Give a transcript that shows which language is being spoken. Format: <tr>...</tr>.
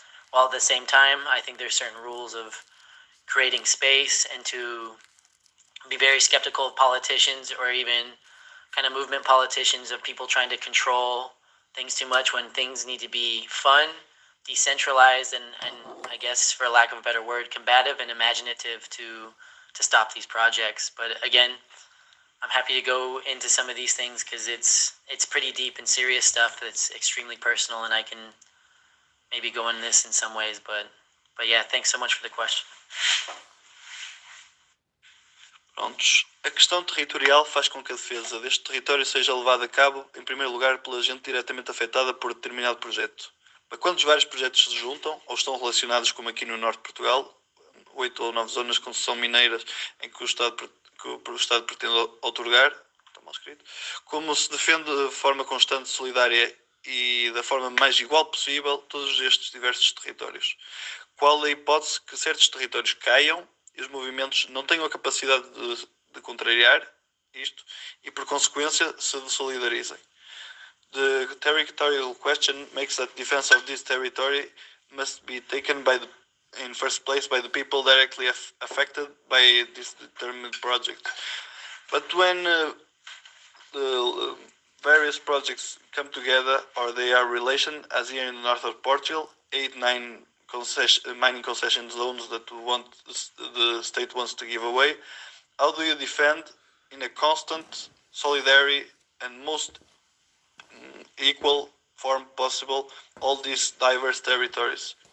<en>While at the same time, I think there's certain rules of creating space and to be very skeptical of politicians or even kind of movement politicians, of people trying to control things too much when things need to be fun, decentralized, and I guess, for lack of a better word, combative and imaginative to stop these projects. But again, I'm happy to go into some of these things because it's pretty deep and serious stuff that's extremely personal, and I can maybe go into this in some ways. But yeah, thanks so much for the question.</en> <pt>Prontos. A questão territorial faz com que a defesa deste território seja levada a cabo, em primeiro lugar, pela gente diretamente afetada por determinado projeto. Mas quando os vários projetos se juntam, ou estão relacionados, como aqui no Norte de Portugal, oito ou nove zonas de concessão mineiras em que o Estado pretende otorgar, está mal escrito, como se defende de forma constante, solidária e da forma mais igual possível todos estes diversos territórios? Qual a hipótese que certos territórios caiam e os movimentos não tenham a capacidade de contrariar isto e, por consequência, se desolidarizem?</pt> <en>The territorial question makes that defense of this territory must be taken by the, in first place by the people directly affected by this determined project. But when the various projects come together, or they are relationed, as here in the north of Portugal, 8-9 mining concession zones that the state wants to give away, how do you defend in a constant, solidary and most equal form possible all these diverse territories?</en>